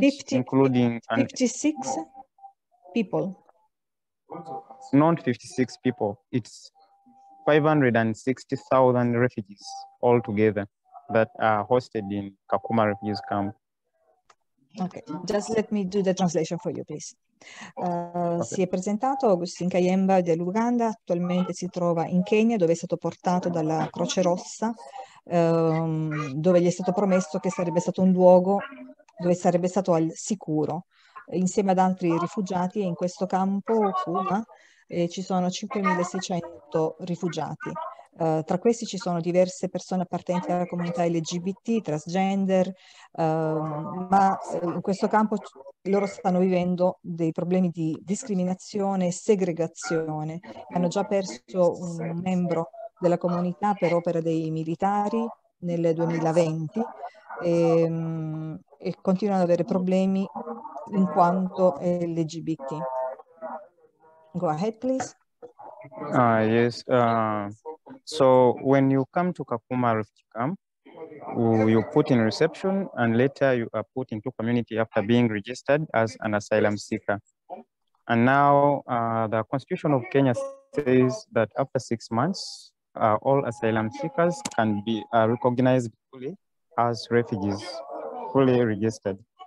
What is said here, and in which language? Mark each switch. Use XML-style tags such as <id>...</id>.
<en>56 people. Not 56 people. It's 560,000 refugees altogether that are hosted in Kakuma refugees camp. Okay, just let me do the translation for you, please.</en> <it>Si è presentato Augustine Kayemba dell'Uganda, attualmente si trova in Kenya dove è stato portato dalla Croce Rossa, dove gli è stato promesso che sarebbe stato un luogo dove sarebbe stato al sicuro, insieme ad altri rifugiati in questo campo Kuma, ci sono 5.600 rifugiati. Tra questi ci sono diverse persone appartenenti alla comunità LGBT, transgender, ma in questo campo loro stanno vivendo dei problemi di discriminazione e segregazione. Hanno già perso un membro della comunità per opera dei militari nel 2020 e continuano ad avere problemi in quanto LGBT.</it> <en>Go ahead, please. Yes. So when you come to Kakuma refugee camp, you put in reception and later you are put into community after being registered as an asylum seeker. And now the Constitution of Kenya says that after 6 months, all asylum seekers can be recognized fully as refugees, fully registered.</en>